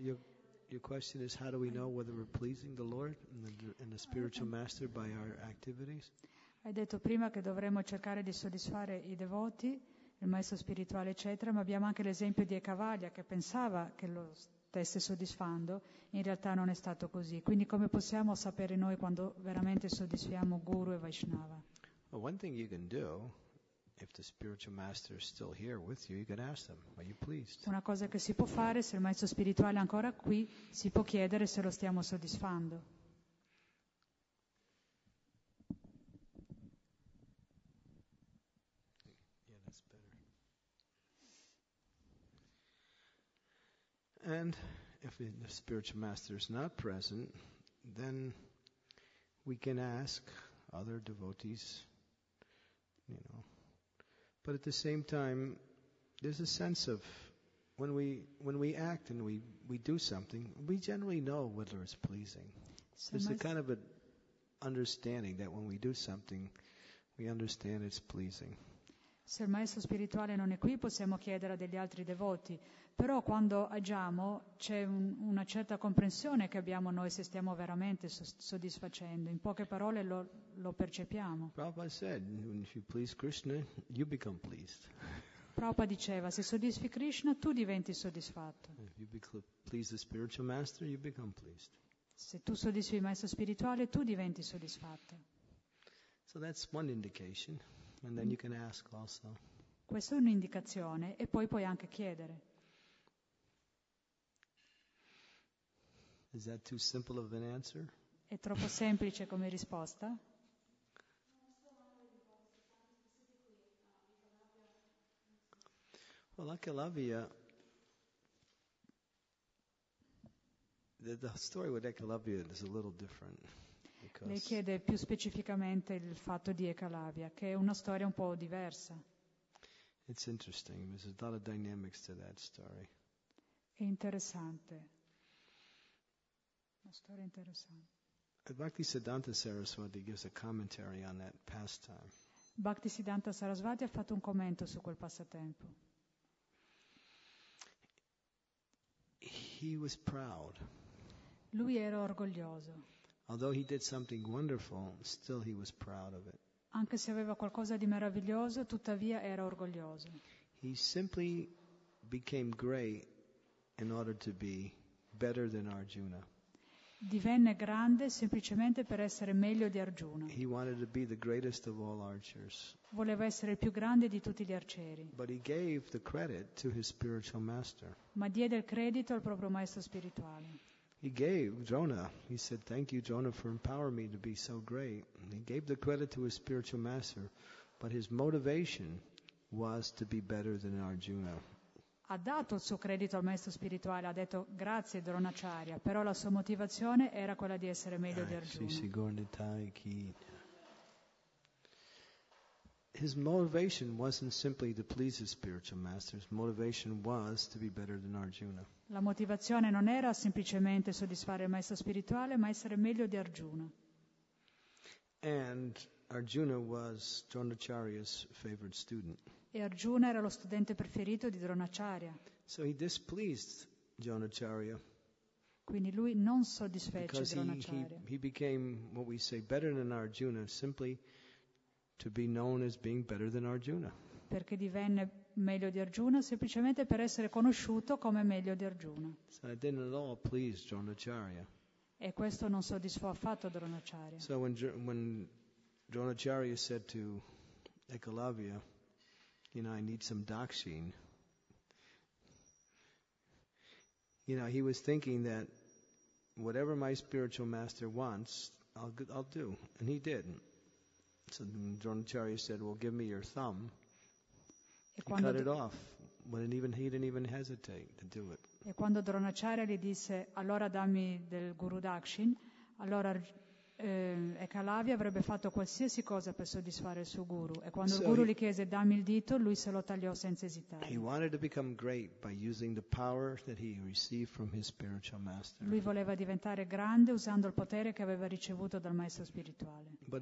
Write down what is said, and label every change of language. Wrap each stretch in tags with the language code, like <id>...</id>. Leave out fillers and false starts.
<en>Your question is, how do we know whether we're pleasing the Lord and the spiritual master by our activities?</en> <it>Hai detto prima che dovremmo cercare di soddisfare i devoti, il maestro spirituale, eccetera, ma abbiamo anche l'esempio di Ekavalya che pensava che lo stesse soddisfando, in realtà non è stato così. Quindi come possiamo sapere noi quando veramente soddisfiamo Guru e Vaishnava?</it> <en>Well, one thing you can do, if the spiritual master is still here with you, you can ask them, are you pleased?</en> <it>Una cosa che si può fare, se il maestro spirituale è ancora qui, si può chiedere se lo stiamo soddisfando.</it> <en>And if the spiritual master is not present, then we can ask other devotees, you know. But at the same time, there's a sense of when we act and we do something, we generally know whether it's pleasing. There's a kind of an understanding that when we do something, we understand it's pleasing.</en> <it>Se il maestro spirituale non è qui, possiamo chiedere a degli altri devoti. Però quando agiamo, c'è una certa comprensione che abbiamo noi se stiamo veramente soddisfacendo. In poche parole lo percepiamo.</it> <en>Prabhupada said, if you please Krishna, you become pleased.</en> <it>Prabhupada diceva, se soddisfi Krishna, tu diventi soddisfatto.</it> <en>If you please the spiritual master, you become pleased.</en> <it>Se tu soddisfi il maestro spirituale, tu diventi soddisfatto.</it> <en>So that's one indication. And then you can ask also.</en> <it>Questa è un'indicazione e poi puoi anche chiedere.</it> <en>Is that too simple of an answer?</en> <it>È troppo semplice come risposta?</it> <en>Well, Ekalavya, the story with Ekalavya is a little different.</en> <it>Lei chiede più specificamente il fatto di Ekalavya, che è una storia un po' diversa.</it> <en>It's interesting. There's a lot of dynamics to that story.</en> <it>È interessante. Una storia interessante.</it> <en>Bhakti Siddhanta Saraswati gives a commentary on that pastime.</en> <it>Bhakti Siddhanta Saraswati ha fatto un commento su quel passatempo.</it> <en>He was proud.</en> <it>Lui era orgoglioso.</it> <en>Although he did something wonderful, still he was proud of it.</en> <it>Anche se aveva qualcosa di meraviglioso, tuttavia era orgoglioso.</it> <en>He simply became great in order to be better than Arjuna.</en> <it>Divenne grande semplicemente per essere meglio di Arjuna.</it> <en>He wanted to be the greatest of all archers.</en> <it>Voleva essere il più grande di tutti gli arcieri.</it> <en>But he gave the credit to his spiritual master.</en> <it>Ma diede il credito al proprio maestro spirituale.</it> <en>He gave Drona. He said, "Thank you, Drona, for empowering me to be so great." And he gave the credit to his spiritual master, but his motivation was to be better than Arjuna.</en> <it>Ha dato il suo credito al maestro spirituale, ha detto grazie Dronacharya, però la sua motivazione era quella di essere meglio di Arjuna.</it> <en>His motivation wasn't simply to please his spiritual master, his motivation was to be better than Arjuna.</en> <it>La motivazione non era semplicemente soddisfare il maestro spirituale, ma essere meglio di Arjuna.</it> <en>And Arjuna was Dronacharya's favorite student.</en> <it>E Arjuna era lo studente preferito di Dronacharya.</it> <en>So he displeased Dronacharya.</en> <it>Quindi lui non soddisfece Dronacharya.</it> <en>Because he became what we say better than Arjuna simply to be known as being better than Arjuna.</en> <it>Perché divenne meglio di Arjuna semplicemente per essere conosciuto come meglio di Arjuna.</it> <en>So it didn't at all please Dronacharya.</en> <it>E questo non soddisfò affatto Dronacharya.</it> <en>So when Dronacharya said to Ekalavya, "You know, I need some dakshin." You know, he was thinking that whatever my spiritual master wants, I'll do. And he did. So Dronacharya said, "Well, give me your thumb." He cut it off. He didn't even hesitate to do it.</en> <it>E quando Dronacharya gli disse, "Allora dammi del guru dakshin," allora Ekalavya avrebbe fatto qualsiasi cosa per soddisfare il suo guru, e quando il guru gli chiese dammi il dito, lui se lo tagliò senza esitare. Lui voleva diventare grande usando il potere che aveva ricevuto dal maestro spirituale.</it>